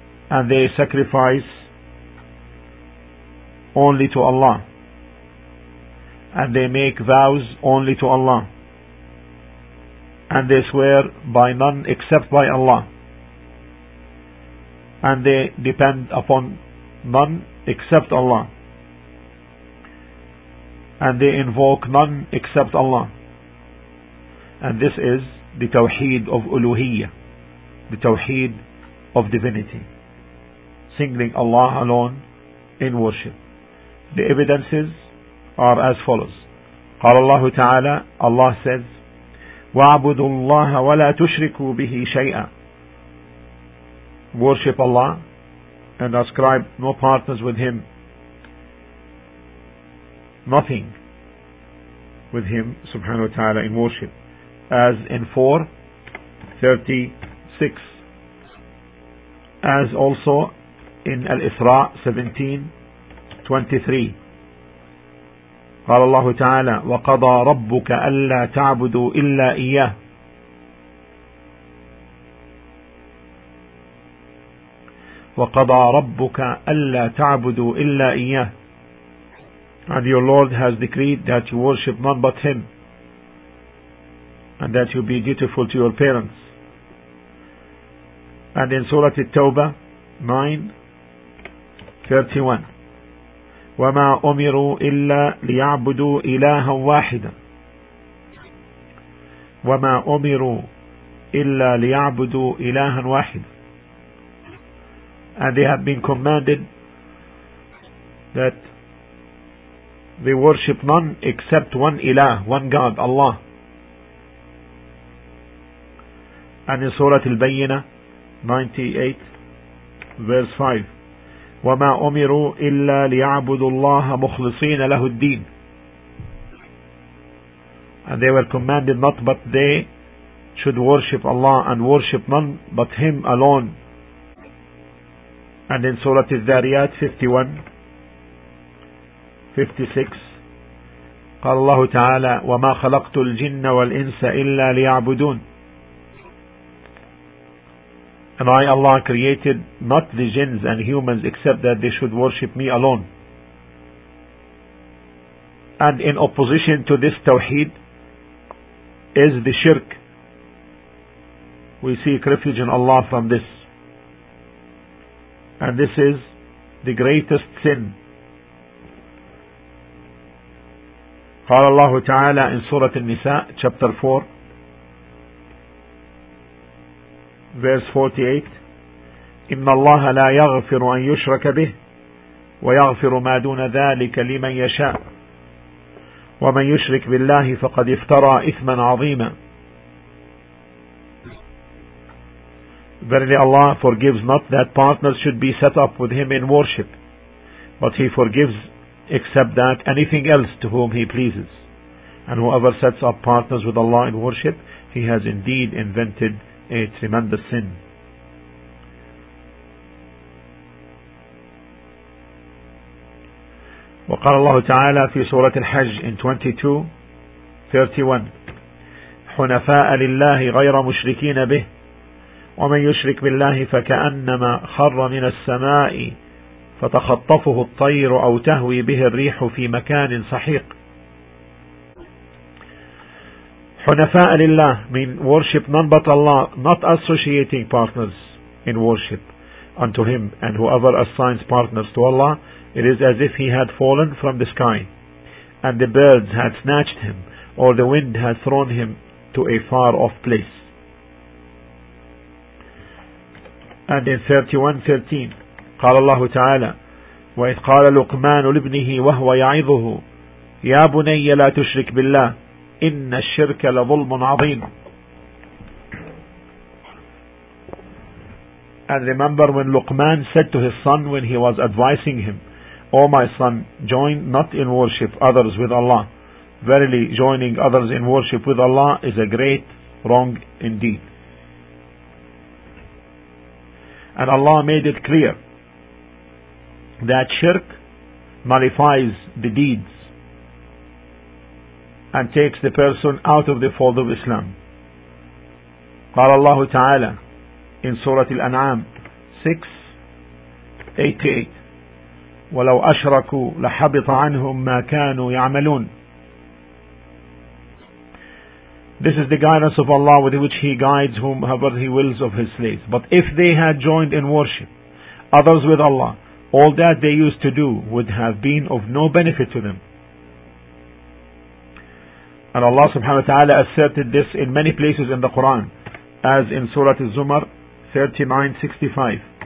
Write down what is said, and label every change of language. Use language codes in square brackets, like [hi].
[en] And they sacrifice only to Allah, and they make vows only to Allah, and they swear by none except by Allah, and they depend upon none except Allah, and they invoke none except Allah. And this is the Tawheed of Uluhiyyah, the Tawheed of Divinity, singling Allah alone in worship. The evidences are as follows. [ar] قال الله تعالى, [en] Allah says, [ar] وَعْبُدُوا اللَّهَ وَلَا تُشْرِكُوا بِهِ شَيْئًا. [en] Worship Allah and ascribe no partners with Him, nothing with Him subhanahu wa ta'ala in worship. As in 4:36, as also in Al-Isra 17:23, [ar] قال الله تعالى وَقَضَى رَبُّكَ أَلَّا تَعْبُدُوا إِلَّا إِيَّهِ وَقَضَى رَبُّكَ أَلَّا تَعْبُدُوا إِلَّا إِيَّهِ. [en] And your Lord has decreed that you worship none but Him, and that you be dutiful to your parents. And in Surah At-Tawbah 9:31, [ar] وَمَا أُمِرُوا إِلَّا لِيَعْبُدُوا إِلَهًا وَاحِدًا وَمَا أُمِرُوا إِلَّا لِيَعْبُدُوا إِلَهًا وَاحِدًا. [en] And they have been commanded that they worship none except one ilah, one God, Allah. And in Surah Al-Bayyinah 98:5, [ar] وَمَا أُمِرُوا إِلَّا لِيَعْبُدُوا اللَّهَ مُخْلِصِينَ لَهُ الدِّينَ. [en] And they were commanded not but they should worship Allah and worship none but Him alone. And in Surah Al-Dhariyat 51:56, [ar] قال الله تعالى وَمَا خَلَقْتُ الْجِنَّ وَالْإِنسَ إِلَّا لِيَعْبُدُونَ. [en] And I, Allah, created not the jinns and humans except that they should worship me alone. And in opposition to this tawheed is the shirk. We seek refuge in Allah from this. And this is the greatest sin. [ar] قال الله تعالى [en] in Surah An-Nisa chapter 4 verse 48 [ar] إِنَّ اللَّهَ لَا يَغْفِرُ أَن يُشْرَكَ بِهِ وَيَغْفِرُ مَا دُونَ ذَلِكَ لِمَنْ يَشَاءُ وَمَنْ يُشْرِكْ بِاللَّهِ فَقَدْ افْتَرَى إِثْمًا عَظِيمًا. [en] Verily Allah forgives not that partners should be set up with him in worship, but he forgives except that anything else to whom he pleases. And whoever sets up partners with Allah in worship, he has indeed invented a tremendous sin. [ar] وقال الله تعالى في سورة الحج [en] in 22:31 [ar] حنفاء لله غير مشركين به ومن يشرك بالله فكأنما خر من السماء فتخطفه الطير أو تهوي به الريح في مكان صحيق. حنفاء لله [en] mean worship none but Allah, not associating partners in worship unto him, and whoever assigns partners to Allah, it is as if he had fallen from the sky, and the birds had snatched him, or the wind had thrown him to a far off place. And in 31:13, [ar] قال الله تعالى وإذ قال لقمان لابنه وهو يعظه يا بني لا تشرك بالله إن الشرك لظلم عظيم. [en] And remember when Luqman said to his son when he was advising him, O my son, join not in worship others with Allah. Verily, joining others in worship with Allah is a great wrong indeed. And Allah made it clear that shirk nullifies the deeds and takes the person out of the fold of Islam. [ar] قال الله تعالى [en] in Surah Al-An'am 6:88 [ar] وَلَوْ أَشْرَكُوا لَحَبِطَ عَنْهُمْ مَا كَانُوا يَعْمَلُونَ. [en] This is the guidance of Allah with which He guides whomever He wills of His slaves. But if they had joined in worship others with Allah, all that they used to do would have been of no benefit to them. And Allah subhanahu wa ta'ala asserted this in many places in the Quran, as in Surah Az-Zumar 39:65.